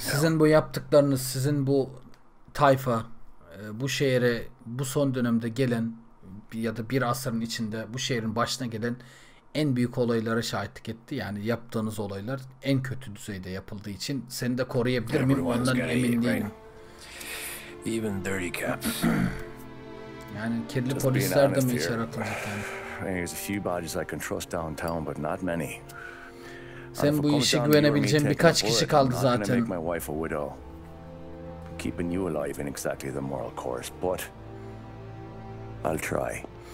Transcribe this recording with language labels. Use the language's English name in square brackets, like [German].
[Turkish] Sizin bu yaptıklarınız, sizin bu tayfa, bu şehre, bu son dönemde gelen ya da bir asırın içinde bu şehrin başına gelen en büyük olaylara şahitlik etti. Yani yaptığınız olaylar en kötü düzeyde yapıldığı için seni de koruyabilir miyim? Ondan emin değilim. [English] Even dirty cops. [Turkish] Yani kirli polisler de mi içeri atılacak yani? [English] There's a few bodies I can trust downtown, but not many. [Turkish] Sen bu işe güvenebileceğin birkaç kişi kaldı zaten. [English] Keeping you alive in exactly the moral course, but I'll try.